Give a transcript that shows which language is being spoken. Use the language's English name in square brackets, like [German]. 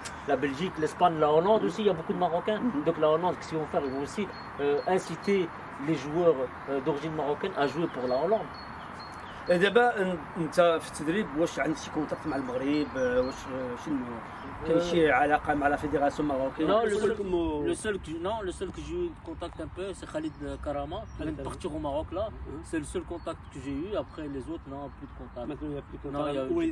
[French] la Belgique l'Espagne la Hollande aussi il y a beaucoup de Marocains donc la Hollande qu'est-ce qu'ils vont faire ils vont aussi inciter les joueurs d'origine marocaine à jouer pour la Hollande et d'abord tu as fait [Arabic] تدريب واش عندك شي كونتاكت مع المغرب واش شنو كاين شي علاقه مع لا فيدراسيون المغربيه [French] le seul que j'ai eu de contact un peu c'est Khalid Karama qui est parti au Maroc là c'est le seul contact que j'ai eu après les autres non plus de contact maintenant il y a plus de contact.